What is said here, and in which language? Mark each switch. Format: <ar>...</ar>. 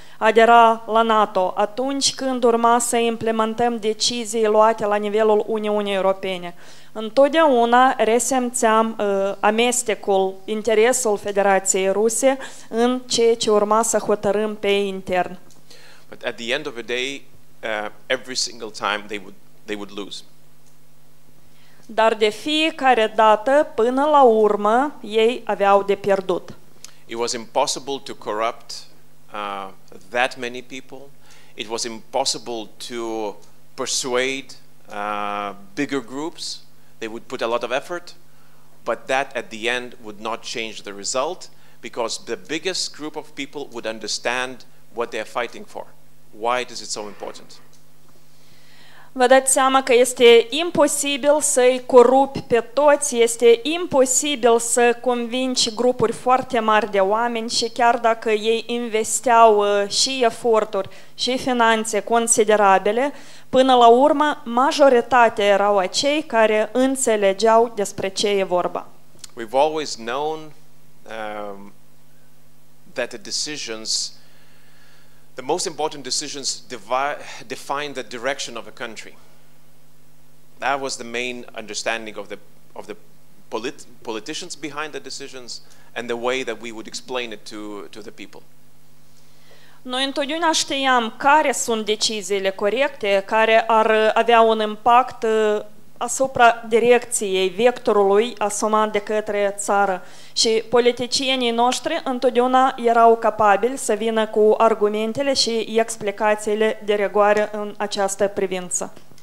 <ro>adera la NATO, atunci când urma să implementăm decizii luate la nivelul Uniunii Europene, întotdeauna resimțeam amestecul, interesul Federației Ruse în ceea ce urma să hotărâm pe intern.</ro> <en>But at the end of the day, every single time they would lose.</en> <ro>Dar de fiecare dată, până la urmă, ei aveau de pierdut.</ro> <en>It was impossible to corrupt that many people. It was impossible to persuade bigger groups. They would put a lot of effort, but that at the end would not change the result, because the biggest group of people would understand what they are fighting for. Why is it so important?</en> <ro>Vă dați seama că este imposibil să-i corupi pe toți, este imposibil să convingi grupuri foarte mari de oameni, și chiar dacă ei investeau și eforturi și finanțe considerabile, până la urmă majoritatea erau acei care înțelegeau despre ce e vorba.</ro> <en>We've always known that the decisions, the most important decisions define the direction of a country. That was the main understanding of the politicians behind the decisions and the way that we would explain it to the people.</en> <ro>Noi întotdeauna știam care sunt deciziile corecte, care ar avea un impact asupra direcției, vectorului asumat de către țară. Și politicienii noștri întotdeauna erau capabili să vină cu argumentele și explicațiile de rigoare în această privință.</ro>